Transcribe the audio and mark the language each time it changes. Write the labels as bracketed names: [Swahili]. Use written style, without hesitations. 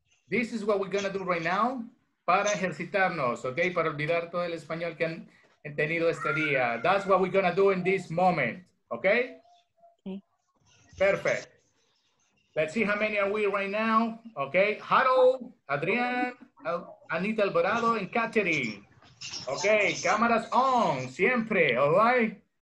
[English] This is what we're going to do right now. [Spanish] Para ejercitarnos, okay? Para olvidar todo el español que han tenido este día. [English] That's what we're going to do in this moment, okay? Okay. Perfect. Let's see how many are we right now. Okay, Harold, Adrian, Anita Alvarado, and Katherine. Okay, cameras on, siempre, all right?